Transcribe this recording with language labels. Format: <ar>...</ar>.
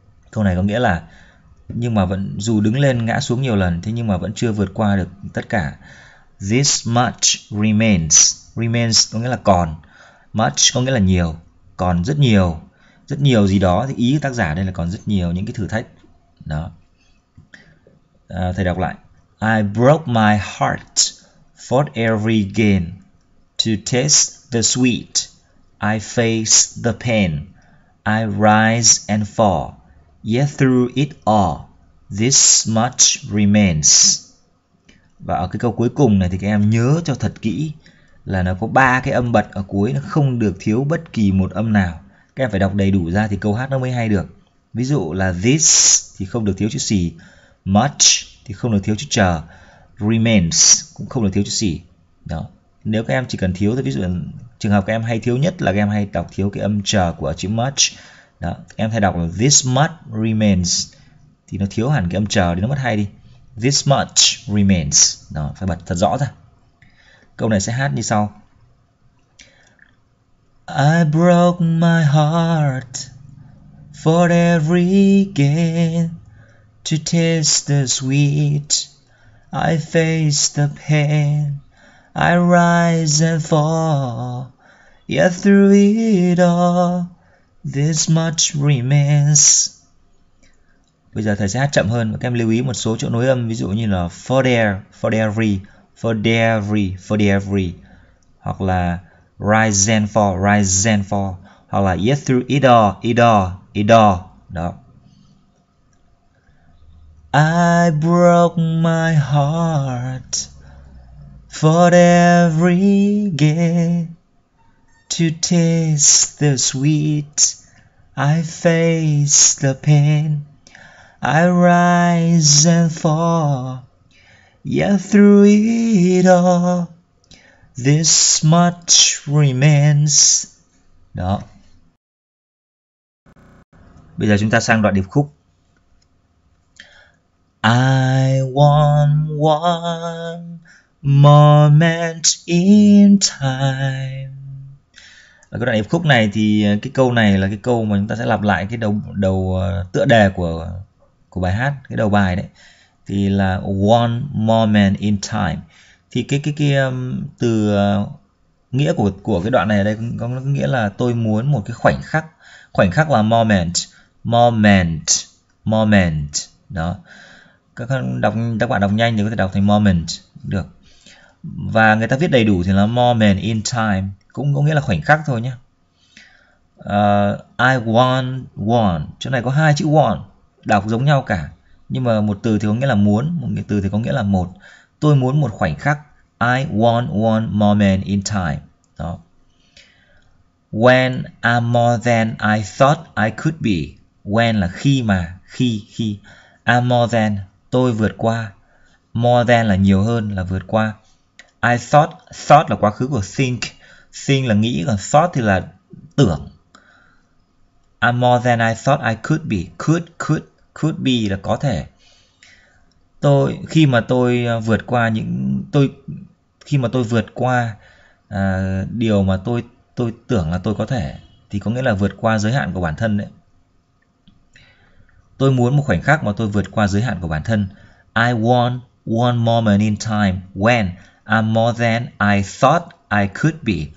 <vi>Câu này có nghĩa là nhưng mà vẫn dù đứng lên ngã xuống nhiều lần thế nhưng mà vẫn chưa vượt qua được tất cả.</vi> <en>This much remains. Remains</en> <vi>có nghĩa là còn. Much có nghĩa là nhiều. Còn rất nhiều. Rất nhiều gì đó thì ý tác giả đây là còn rất nhiều những cái thử thách. Đó. Thầy đọc lại.</vi> <en>I broke my heart for every gain. To taste the sweet, I face the pain. I rise and fall. Yet through it all, this much remains.</en> <vi>Và ở cái câu cuối cùng này thì các em nhớ cho thật kỹ là nó có ba cái âm bật ở cuối, nó không được thiếu bất kỳ một âm nào. Các em phải đọc đầy đủ ra thì câu hát nó mới hay được. Ví dụ là this thì không được thiếu chữ xì, much thì không được thiếu chữ chờ, remains cũng không được thiếu chữ gì đó. Nếu các em chỉ cần thiếu thì ví dụ trường hợp các em hay thiếu nhất là các em hay đọc thiếu cái âm chờ của chữ much đó, em hay đọc là</vi> <en>this much remains</en> <vi>thì nó thiếu hẳn cái âm chờ thì nó mất hay đi, this much remains đó, phải bật thật rõ ra. Câu này sẽ hát như sau:</vi> <en>I broke my heart for every gain, to taste the sweet I face the pain, I rise and fall, yet through it all, this much remains.</en> <vi>Bây giờ thầy sẽ hát chậm hơn, các em lưu ý một số chỗ nối âm, ví dụ như là</vi> <en>for there, for every, for every, for every, hoặc là rise and fall, rise and fall, hoặc là yet through it all, it all, it all, đó. I broke my heart for every gain, to taste the sweet I face the pain, I rise and fall, yet through it all this much remains.</en> <vi>Đó. Bây giờ chúng ta sang đoạn điệp khúc.</vi> <en>I want one moment in time.</en> <vi>Ở cái đoạn điệp khúc này thì cái câu này là cái câu mà chúng ta sẽ lặp lại cái đầu tựa đề của bài hát, cái đầu bài đấy. Thì là</vi> <en>one moment in time.</en> <vi>Thì cái từ nghĩa của cái đoạn này ở đây có nghĩa là tôi muốn một cái khoảnh khắc. Khoảnh khắc là moment, moment, moment. Đó. Các bạn đọc nhanh thì có thể đọc thành moment được. Và người ta viết đầy đủ thì là</vi> <en>moment in time,</en> <vi>cũng có nghĩa là khoảnh khắc thôi nhé.</vi> <en>I want one.</en> <vi>Chỗ này có hai chữ want đọc giống nhau cả, nhưng mà một từ thì có nghĩa là muốn, một từ thì có nghĩa là một. Tôi muốn một khoảnh khắc.</vi> <en>I want one moment in time. Đó. When I'm more than I thought I could be.</en> <vi>When là khi mà, khi.</vi> <en>I'm more than,</en> <vi>tôi vượt qua. More than là nhiều hơn, là vượt qua. I thought, thought là quá khứ của think. Think là nghĩ, còn thought thì là tưởng.</vi> <en>I'm more than I thought I could be.</en> <vi>Could be là có thể. Tôi khi mà tôi vượt qua những tôi khi mà tôi vượt qua điều mà tôi tưởng là tôi có thể, thì có nghĩa là vượt qua giới hạn của bản thân đấy. Tôi muốn một khoảnh khắc mà tôi vượt qua giới hạn của bản thân.</vi> <en>I want one moment in time when I'm more than I thought I could be.</en>